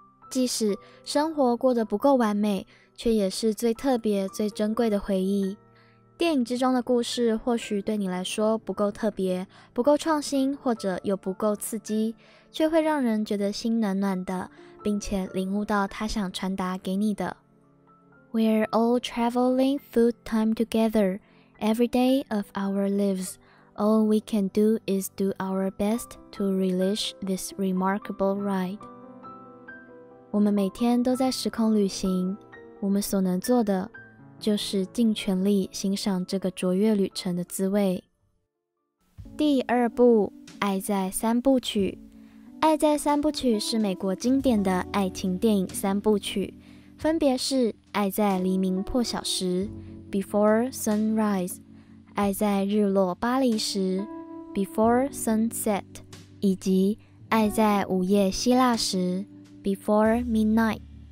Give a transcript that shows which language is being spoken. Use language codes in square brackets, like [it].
[zh] 即使生活过得不够完美，却也是最特别最珍贵的回忆。电影之中的故事或许对你来说不够特别，不够创新，或者又不够刺激，却会让人觉得心暖暖的，并且领悟到他想传达给你的。 [en] We're all traveling through time together. Every day of our lives, all we can do is do our best to relish this remarkable ride. [zh] 我们每天都在时空旅行，我们所能做的就是尽全力欣赏这个卓越旅程的滋味。第二部，爱在三部曲。爱在三部曲是美国经典的爱情电影三部曲，分别是爱在黎明破晓时 Before Sunrise， 爱在日落巴黎时 Before Sunset， 以及爱在午夜希腊时Before Midnight。